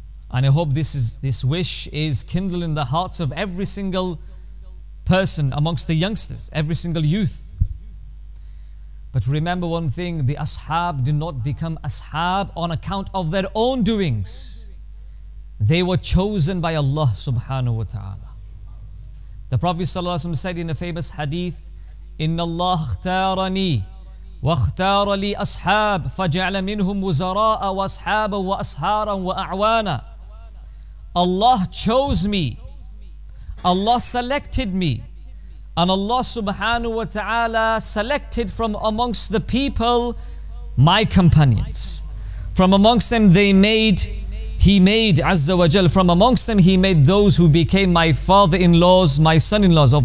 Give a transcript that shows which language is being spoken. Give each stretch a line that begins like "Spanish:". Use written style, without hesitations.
English: And I hope this wish is kindled in the hearts of every single person amongst the youngsters, every single youth. But remember one thing, the Ashab did not become Ashab on account of their own doings. They were chosen by Allah subhanahu wa ta'ala.
Arabic: The Prophet sallallahu alayhi wa sallam said in a famous hadith, إِنَّ اللَّهَ اخْتَارَنِي وَاخْتَارَ لِي أَصْحَابْ فَجَعْلَ مِنْهُمْ وُزَرَاءَ وَأَصْحَابًا وَأَصْحَارًا وَأَعْوَانًا.
English: Allah chose me, Allah selected me, and Allah subhanahu wa ta'ala selected from amongst the people my companions. From amongst them he made Azza wa Jal, from amongst them he made those who became my father-in-laws, my son-in-laws.